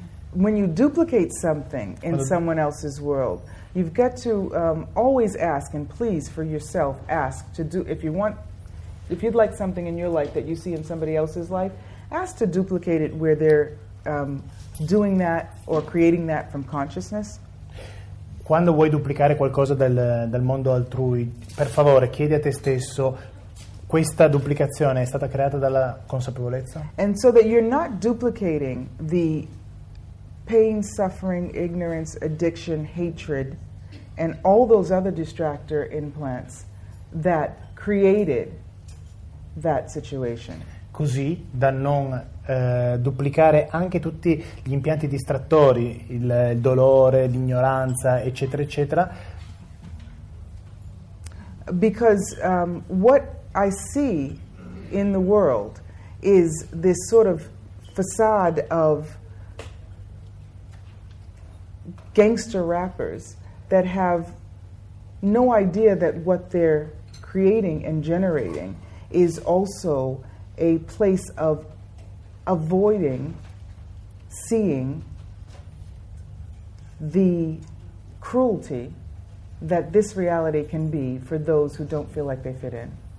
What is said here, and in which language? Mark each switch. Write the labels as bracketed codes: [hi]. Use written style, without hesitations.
[en] When you duplicate something in someone else's world, you've got to always ask and please for yourself, ask to do, if you'd like something in your life that you see in somebody else's life, ask to duplicate it where they're doing that or creating that from consciousness. [it] Quando vuoi duplicare qualcosa del mondo altrui, per favore chiedi a te stesso, questa duplicazione è stata creata dalla consapevolezza? [en] And so that you're not duplicating the pain, suffering, ignorance, addiction, hatred, and all those other distractor implants that created that situation. [it] Così da non duplicare anche tutti gli impianti distrattori, il dolore, l'ignoranza, eccetera, eccetera. [en] Because what I see in the world is this sort of facade of gangster rappers that have no idea that what they're creating and generating is also a place of avoiding seeing the cruelty that this reality can be for those who don't feel like they fit in.